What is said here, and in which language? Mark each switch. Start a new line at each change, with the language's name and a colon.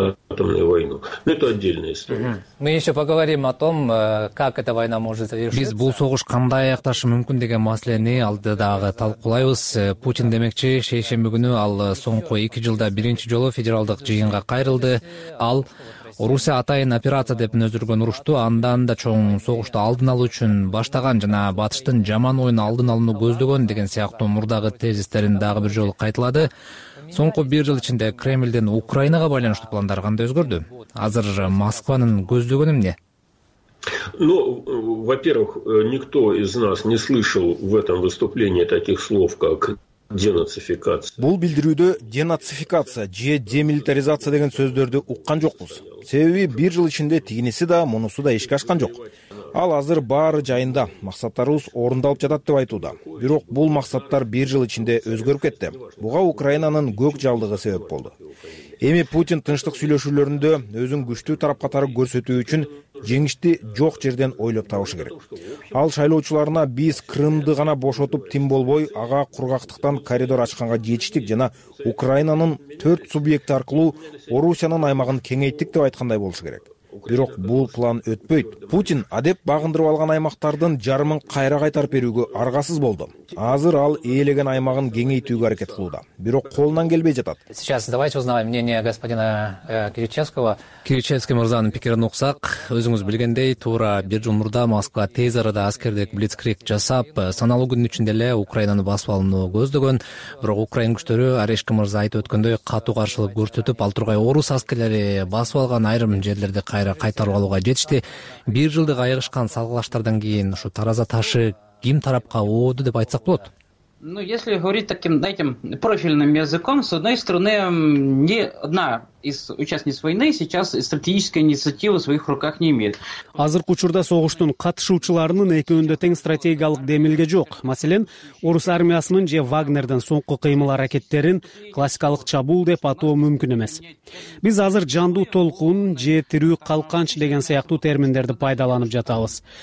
Russian: Мы еще поговорим о том, как эта война может завершиться.
Kyrgyz: Биз бул согуш кандай аякташы мүмкүн деген маселени алдыдагы талкуулайбыз. Путин демекчи, шейшемби күнү ал соңку 2 жылда биринчи жолу федералдык жыйынга кайрылды. Ал Орусия атайын операция деп өзүргөн урушту андан да чоң согушту алдын алуу үчүн баштаган жана батыштын жаман оюн алдын алууну көздөгөн деген сыяктуу мурдагы тезистерин дагы бир жолу кайталады. Соңку бир жыл ичинде Кремлден Украинага байланыштуу пландар кандай өзгөрдү? Азыр Москванын көздөгөнү эмне?
Russian: Ну, во-первых, никто из нас не слышал в этом выступлении таких слов, как денацификация.
Kyrgyz: Бул билдирүүдө денацификация же демилитаризация деген сөздөрдү уккан жокпуз. Себеби бир жыл ичинде тигиниси да, мунусу да ишке ашкан жок. Ал азыр баары жайында, максаттарыбыз орундалып жатат деп айтууда. Бирок бул максаттар бир жыл ичинде өзгөрүп кетти. Буга Украинанын көк жалдыгы себеп болду. Эми Путин тынчтык сүйлөшүүлөрүндө өзүн күчтүү тарап катары көрсөтүү үчүн жеңишти жок жерден ойлоп табышы керек. Ал шайлоочуларына биз Крымды гана бошотуп тим болбой, ага кургактыктан коридор ачканга жетиштик жана Украинанын 4 субъекти аркылуу Орусиянын аймагын кеңейттик деп айткандай болушу керек. Бирок бул план өтпөйт. Путин адеп багындырып алган аймактардын жарымын кайра кайтарып берүүгө аргасыз болду. Азыр ал ээлеген аймагын кеңейтүүгө аракет кылууда. Бирок колунан келбей жатат.
Russian: Сейчас давайте узнаем мнение господина Кириченского.
Kyrgyz: Кириченский мырзанын пикирин уксак, өзүңүз билгендей, туура бир жыл мурда Москва тез арада аскердик блицкриг жасап, саналуу күндүн ичинде эле Украинаны басып алууну көздөгөн. Бирок Украин күчтөрү, Орешкин мырза айтып өткөндөй, катуу каршылык көрсөтүп, ал тургай орус аскерлери басып алган айрым жерлерди кайра кайтарып алууга жетишти. Бир жылды айыгышкан салгылаштардан кийин ушу тараза ташы ким тарапка ооду деп айтсак болот?
Russian: Ну, если говорить таким, знаете, профильным языком, с одной стороны, ни одна из участниц войны сейчас стратегической инициативы в своих руках не имеет.
Kyrgyz: Азыркы учурда согуштун катышуучуларынын экөөндө тең стратегиялык демилге жок. Маселен, орус армиясынын же Вагнердин соңку кыймыл аракеттерин классикалык чабуул деп атоо мүмкүн эмес. Биз азыр жандуу толкун же тирүү калканч деген сыяктуу терминдерди пайдаланып жатабыз.